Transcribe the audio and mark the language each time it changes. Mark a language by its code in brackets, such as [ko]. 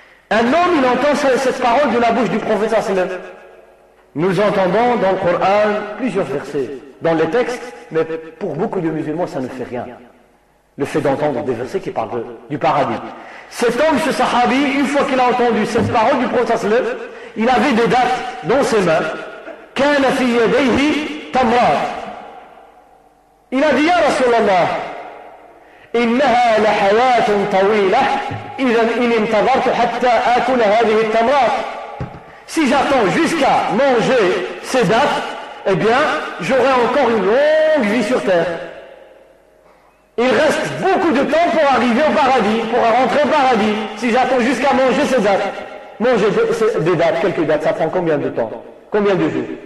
[fr] Un homme, il entend cette parole de la bouche du prophète sallallahu alayhi wa sallam. Nous entendons dans le Coran plusieurs versets, dans les textes, mais pour beaucoup de musulmans, ça ne fait rien. Le fait d'entendre des versets qui parlent du paradis. Cet homme, ce sahabi, une fois qu'il a entendu cette parole du prophète sallallahu alayhi wa sallam, il avait des dattes dans ses mains. [ar] « Kana fi yadayhi tamrat » [fr] Il a dit [ar] « Ya Rasulallah » إنها لحياة طويلة إذا إن انتظرت حتى آكل هذه التمرات. [fr] Si j'attends jusqu'à manger ces dattes, eh bien, j'aurai encore une longue vie sur terre. Il reste beaucoup de temps pour arriver au paradis, pour rentrer au paradis, si j'attends jusqu'à manger ces dattes. Manger des dattes, quelques dattes, ça prend combien de temps? Combien de jours?